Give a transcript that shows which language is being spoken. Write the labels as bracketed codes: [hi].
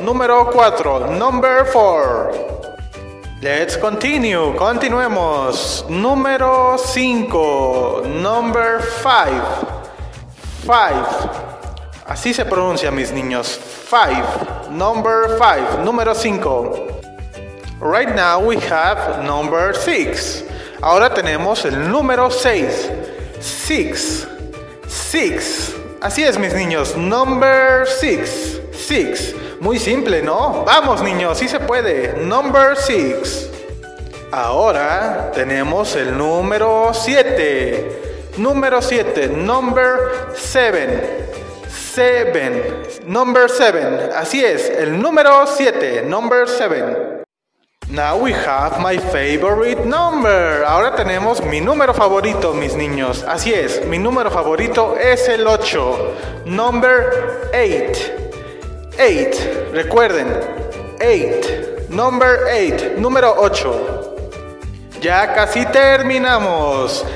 [es] Número 4. [en] Number 4. Let's continue. [es] Continuemos. Número 5. [en] Number 5. 5. [es] Así se pronuncia, mis niños. [en] 5. Number 5. [es] Número 5. [en] Right now we have number 6. [es] Ahora tenemos el número 6. 6. 6. Así es, mis niños. [en] Number 6. [es] 6. Muy simple, ¿no? Vamos, niños, sí se puede. [en] Number 6. [es] Ahora tenemos el número 7. Número 7. [en] Number 7. [es] 7. [en] Number 7. [es] Así es, el número 7. Number 7. [en] Now we have my favorite number. [es] Ahora tenemos mi número favorito, mis niños. Así es, mi número favorito es el 8. [en] Number 8. 8. [es] Recuerden, [en] 8. Number 8. [es] Número 8. Ya casi terminamos.